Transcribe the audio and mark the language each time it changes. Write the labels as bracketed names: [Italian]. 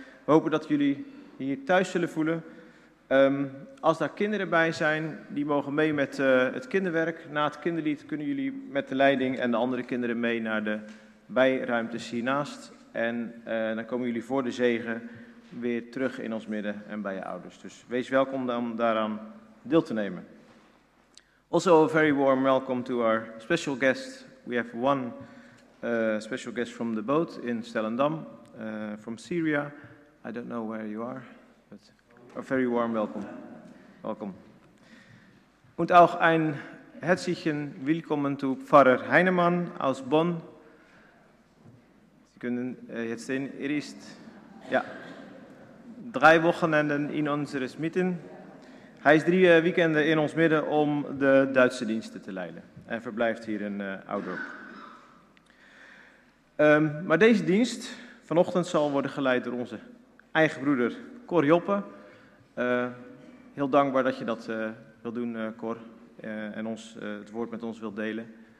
[Dutch] We hopen dat jullie hier thuis zullen voelen. Als daar kinderen bij zijn, die mogen mee met het kinderwerk. Na het kinderlied kunnen jullie met de leiding en de andere kinderen mee naar de bijruimtes hiernaast. En dan komen jullie voor de zegen weer terug in ons midden en bij je ouders. Dus wees welkom om daaraan deel te nemen. [English] Also a very warm welcome to our special guest. We have one special guest from the boat in Stellendam, from Syria. I don't know where you are, but a very warm welcome. Welcome. [German] Und auch ein herzlichen Willkommen zu Pfarrer Heinemann aus Bonn. Sie können jetzt sehen, ist ja 3 Wochenenden in unseres Mitten. [Dutch] Hij is 3 weekenden in ons midden om de Duitse diensten te leiden. En verblijft hier in Oudorp. Maar deze dienst vanochtend zal worden geleid door onze eigen broeder Cor Joppe. Heel dankbaar dat je dat wil doen, Cor. En ons, het woord met ons wilt delen.